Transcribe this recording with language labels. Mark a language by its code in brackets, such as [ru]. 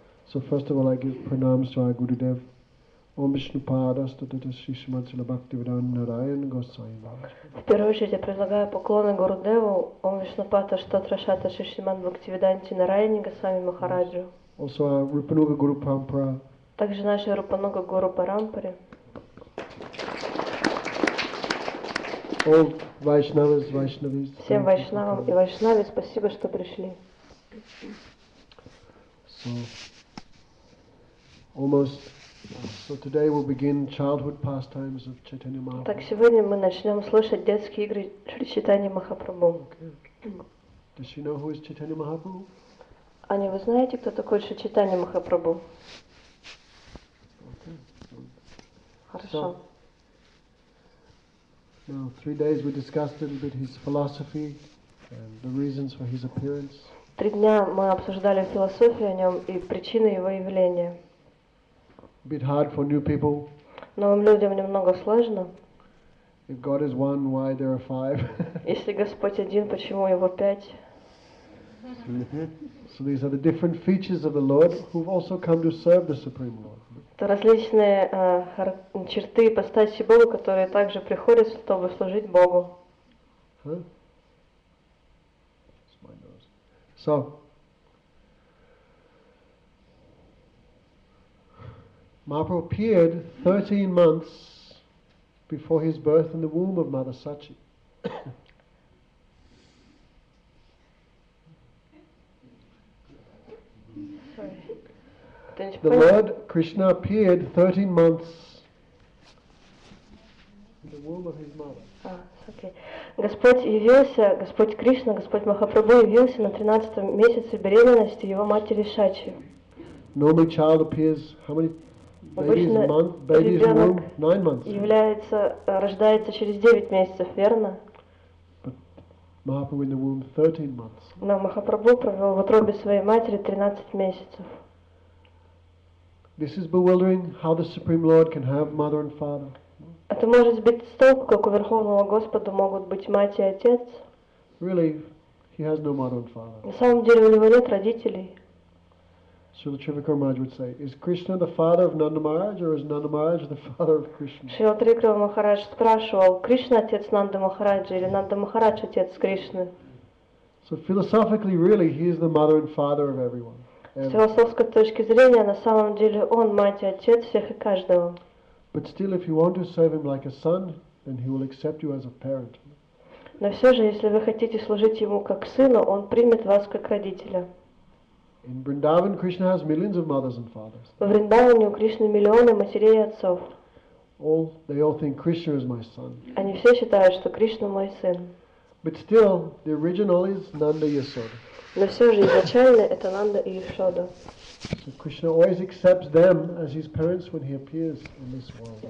[en] So first of all, I give pranams to our Gurudev. Om Vishnu Padastatata Sri Srimatsala Bhaktivedanta Narayana Gosvami Maharaj. [ru] В первую очередь я предлагаю поклоны Гурудеву. Ом Вишну Падастатата Шатра Шри Шриман Бхактивиданти Нараяни Госвами Махараджу. [en] Also our Rupanuga Guru Parampara. [ru] Также наша Рупануга Гуру Парампари. [en] All Vaishnavas, Vaishnavis. [ru] Всем Вайшнавам и Вайшнаве спасибо, что пришли. [en] So, almost. So today we'll begin childhood pastimes of Chaitanya Mahaprabhu. [ru] Так сегодня мы начнем слушать детские игры Шри Чайтаньи Махапрабху. [en] Does she know who is Chaitanya Mahaprabhu? [ru] Аня, вы знаете, кто такой Шри Чайтанья Махапрабху? Хорошо. [en] Now, 3 days we discussed a little bit his philosophy and the reasons for his appearance. [ru] 3 дня мы обсуждали философию о нем и причины его явления. [en] A bit hard for new people. [ru] Новым людям немного сложно. [en] If God is one, why there are five? [ru] Если Господь один, почему его пять? [en] So these are the different features of the Lord who have also come to serve the Supreme Lord. [ru] Это различные черты и постаси Бога, которые также приходят, чтобы служить Богу. [en] So, Mahaprabhu appeared 13 months before his birth in the womb of Mother Sachi. The Lord Krishna appeared 13 months in the womb of his mother. [ru] Господь явился, Господь Кришна, Господь Махапрабху явился на 13 месяце беременности его матери Шачи. [en] Normally child appears how many babies a month? Babies in womb 9 months. [ru] Является, рождается через 9 месяцев, верно? [en] But Mahaprabhu in the womb 13 months. [ru] Но Махапрабху провел в утробе своей матери 13 месяцев. [en] This is bewildering how the Supreme Lord can have mother and father. [ru] Это может сбить с толку, как у Верховного Господа могут быть мать и отец. [en] Really, he has no mother and father. [ru] На самом деле у него нет родителей. [en] Srila Trivikramaraj would say, is Krishna the father of Nanda Maharaj or is Nanda Maharaj the father of Krishna? [ru] Srila Trivikramaraj Махарадж спрашивал, Кришна отец Нанда Махараджа или Нанда Махарадж отец Кришны? [en] So philosophically, really, he is the mother and father of everyone. [ru] С философской точки зрения, на самом деле он мать и отец всех и каждого. [en] But still, if you want to serve him like a son, then he will accept you as a parent. [ru] Но все же, если вы хотите служить ему как сыну, он примет вас как родителя. [en] In Vrindavan, Krishna has millions of mothers and fathers. [ru] В Вриндаване у Кришны миллионы матерей и отцов. [en] All they all think Krishna is my son. [ru] Они все считают, что Кришна мой сын. [en] But still, the original is Nanda Yasoda. [ru] Но все же изначально это Нанда и Ишода. [en] So Krishna always accepts them as his parents when he appears in this world.